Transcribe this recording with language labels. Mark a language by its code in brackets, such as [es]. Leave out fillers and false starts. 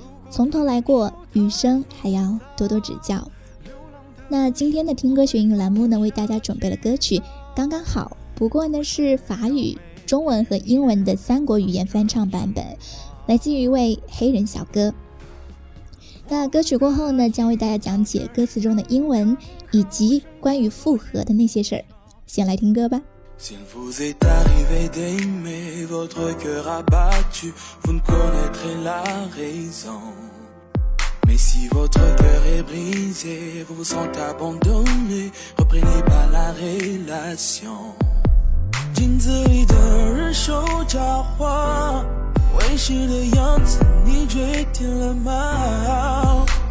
[zh] 从头来过，余生还要多多指教。那今天的听歌学英语栏目呢，为大家准备了歌曲《刚刚好》，不过呢是法语、中文和英文的三国语言翻唱版本。来自于一位黑人小哥。那歌曲过后呢，将为大家讲解歌词中的英文以及关于复合的那些事儿。先来听歌吧。 [fr] S'il vous est arrivé d'aimer votre cœur abattu, vous ne connaîtrez la raison. Mais si votre cœur est brisé, vous vous sentez abandonné, reprenez pas la relation. [zh] 镜子里的人说假话，为时的样子你决定了吗？